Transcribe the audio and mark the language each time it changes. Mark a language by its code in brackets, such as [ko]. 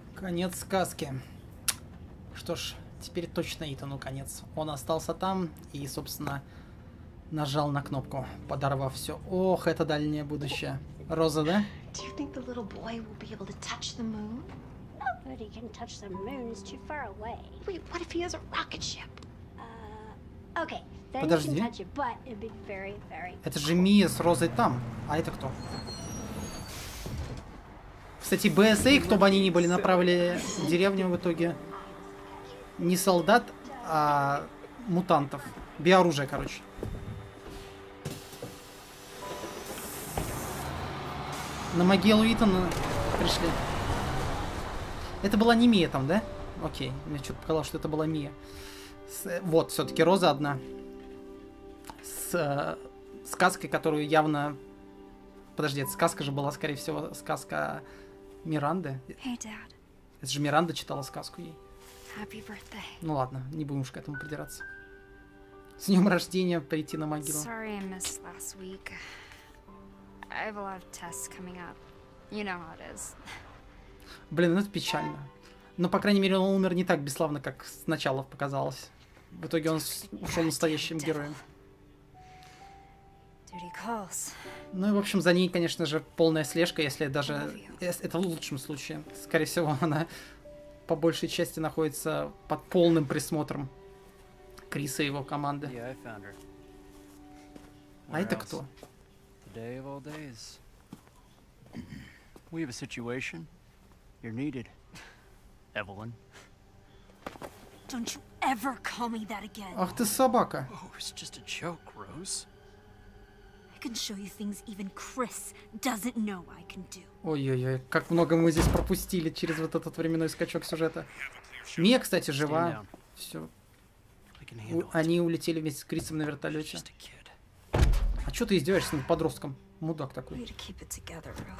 [ru] Конец сказки. Что ж, теперь точно Итану конец. Он остался там и, собственно, нажал на кнопку, подорвав все. Ох, это дальнее будущее. Роза, да? [en] Do you think the little boy will be able to touch the moon? Nobody can touch the moon, it's too far away. Wait, what if he has a rocket ship? Okay, then you can touch it, but it'd be very, very cool. [ru] Это же Мия с Розой там. А это кто? Кстати, БСА, кто бы они ни были, направили деревню в итоге. Не солдат, а мутантов. Биоружие, короче. На могилу Итана пришли. Это была не Мия там, да? Окей, мне что-то показалось, что это была Мия. Вот, все-таки Роза одна. С сказкой, которую явно... Подожди, это сказка же была, скорее всего, сказка Миранды. [en] Hey, Dad. [ru] Это же Миранда читала сказку ей. [en] Happy birthday. [ru] Ну ладно, не будем уж к этому придираться. С днем рождения прийти на могилу. [en] Sorry, I missed last week. I have a lot of tests coming up. You know how it is. [ru] Блин, ну это печально. Но, по крайней мере, он умер не так бесславно, как сначала показалось. В итоге он ушел настоящим героем. [en] Duty calls. [ru] Ну и, в общем, за ней, конечно же, полная слежка, если даже... Это в лучшем случае. Скорее всего, она по большей части находится под полным присмотром Криса и его команды. А это кто? [en] Day of all days. We have a situation. You're needed, Evelyn. Don't you ever call me that again. [ru] Ах ты собака. [en] Oh, it's just a joke, Rose. I can show you things even Chris doesn't know I can do. [ru] Ой-ой-ой, как много мы здесь пропустили через вот этот временной скачок сюжета. Мия, кстати, жива. Все. Они улетели вместе с Крисом на вертолете. А чё ты издеваешься над подростком? Мудак такой. [en] Together,